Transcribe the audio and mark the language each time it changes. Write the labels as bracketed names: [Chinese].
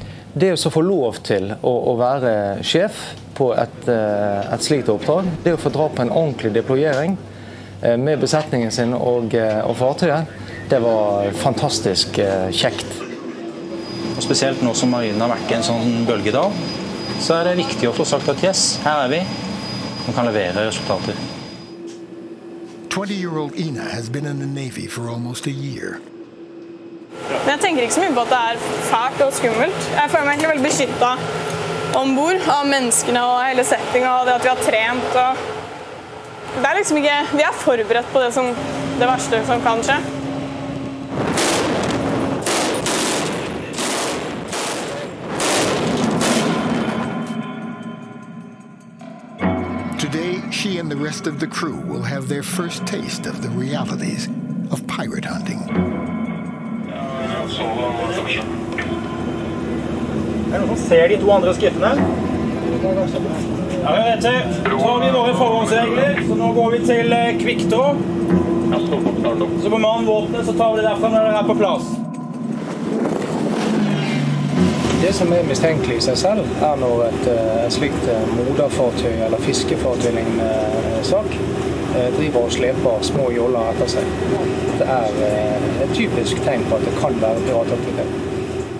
[Norwegian] Det å få lov til å være sjef på et slikt oppdrag, det å få dra på en ordentlig deployering med besetningen sin og fartøyet, det var fantastisk kjekt. Og spesielt nå som marinen har vært i en sånn bølgedal, så er det viktig å få sagt at yes, her er vi, og kan levere resultater. [English] 20-year-old Ina has been in the Navy for almost a year. [Norwegian] Men jeg tenker ikke så mye på at det er fælt og skummelt. Jeg føler meg egentlig veldig beskyttet ombord av menneskene og hele settingen og det at vi har trent. Og det er liksom ikke, vi er forberedt på det, som, det verste som kan skje. [English] She and the rest of the crew will have their first taste of the realities of pirate hunting. [Norwegian] Det som er mistenkelig i seg selv, er når et slikt moderfartøy eller fiskefartøylignende sak driver og sleper små joller etter seg. Det er et typisk tegn på at det kan være pirataktivitet.